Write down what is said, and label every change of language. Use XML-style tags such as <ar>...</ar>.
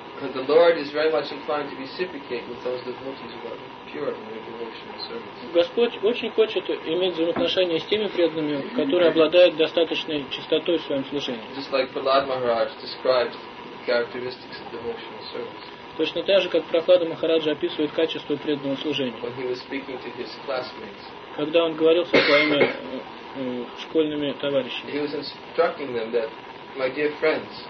<en>The Lord is very much inclined to reciprocate with those devotees who are pure in their devotion and service.</en> <ru>Господь очень хочет иметь взаимоотношения с теми преданными, которые обладают достаточной чистотой в своем служении.</ru> <en>Just like Prahlad Maharaj describes the characteristics of devotional service.</en> <ru>Точно так же, как Прохлада Махараджа описывает качество преданного служения.</ru> <en>When he was speaking to his classmates.</en> <ru>Когда он говорил со своими школьными товарищами.</ru> <en>He was instructing them that, my dear friends.</en>